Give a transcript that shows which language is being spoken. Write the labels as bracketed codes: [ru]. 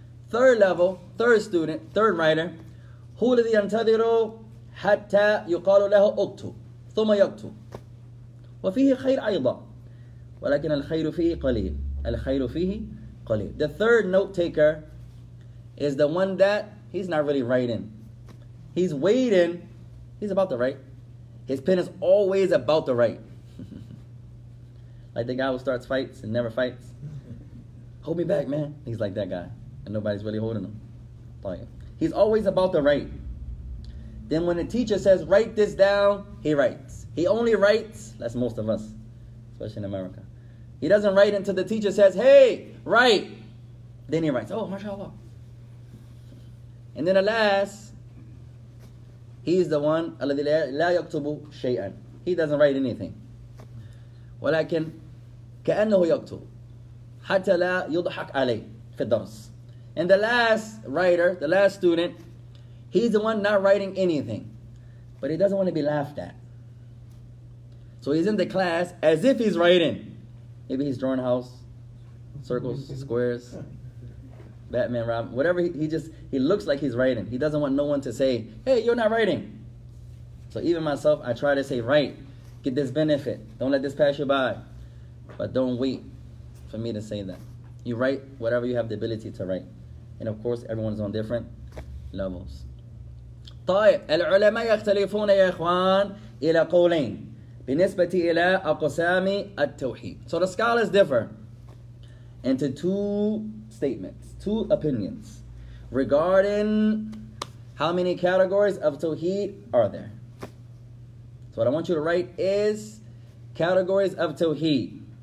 [en] Third level, third student, third writer, [ar] هو الذي ينتظر حتى يقال له اكتب ثم يكتب. وفيه خير أيضا ولكن الخير فيه قليل. الخير فيه قليل. [en] The third note taker is the one that he's not really writing. He's waiting. He's about to write. His pen is always about to write. Like the guy who starts fights and never fights. Hold me back, man. He's like that guy. And nobody's really holding him. He's always about to write. Then when the teacher says, write this down, he writes. He only writes, that's most of us, especially in America. He doesn't write until the teacher says, hey, write. Then he writes, oh, mashallah. And then alas, he's the one, [ar] الذي لا يكتب شيئا. [en] He doesn't write anything. [ar] ولكن كأنه يكتب حتى لا يضحك عليه في الدرس. [en] And the last writer, the last student, he's the one not writing anything. But he doesn't want to be laughed at. So he's in the class as if he's writing. Maybe he's drawing house, circles, squares, Batman, Robin, whatever. He looks like he's writing. He doesn't want no one to say, hey, you're not writing. So even myself, I try to say, write. Get this benefit. Don't let this pass you by. But don't wait for me to say that. You write whatever you have the ability to write. And of course, everyone's on different levels. [ar] طيب العلماء يختلفون يا إخوان إلى قولين بالنسبة إلى أقسام التوحيد. [en] So the scholars differ into two statements, two opinions regarding how many categories of tawheed are there. So what I want you to write is categories of tawheed.